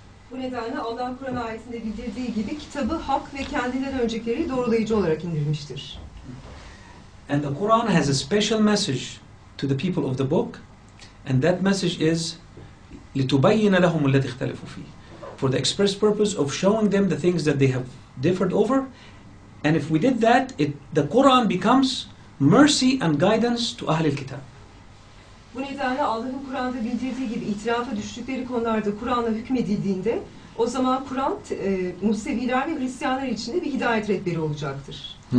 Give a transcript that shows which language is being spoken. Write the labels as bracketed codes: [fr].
[tr] Bu nedenle Allah Kur'an ayetinde bildirdiği gibi kitabı hak ve kendinden öncekileri doğrulayıcı olarak indirmiştir. [en] And the Quran has a special message to the people of the book, and that message is [ar] لِتُبَيِّنَ لَهُمُ الَّذِي اِخْتَلِفُوا فِيهِ, [en] for the express purpose of showing them the things that they have differed over. And if we did that, the Quran becomes mercy and guidance to Ahlul Kitab. [tr] Bu nedenle Allah'ın Kur'an'da bildirdiği gibi itirafa düştükleri konularda Kur'an'la hükmedildiğinde o zaman Kur'an Museviler ve Hristiyanlar için de bir hidayet rehberi olacaktır.